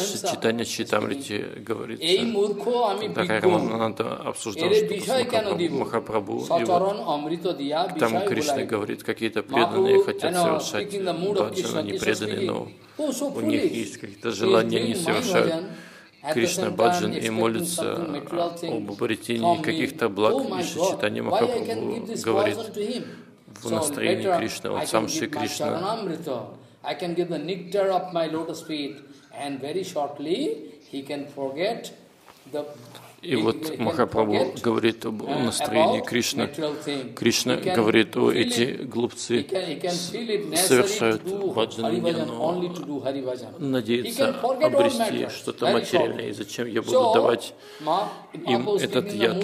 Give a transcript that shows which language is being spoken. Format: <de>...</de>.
<ru>Читание Читамрити говорит, когда Хайрамананда обсуждал, что с Махапрабху, и вот там Кришна говорит, какие-то преданные хотят совершать баджан, они преданные, но у них есть какие-то желания, они совершают Кришна баджан и молится об обретении каких-то благ. И Читание Махапрабху говорит, в настроении Кришны, он сам Шри Кришна.</ru> <en>I can give the nectar of my lotus feet, and very shortly he can forget the.</en> <ru>И вот Махапрабху говорит об настроении Кришны. Кришна говорит, о, эти глупцы совершают баджаны, но надеются обрести что-то материальное. И зачем я буду давать им этот яд?</ru>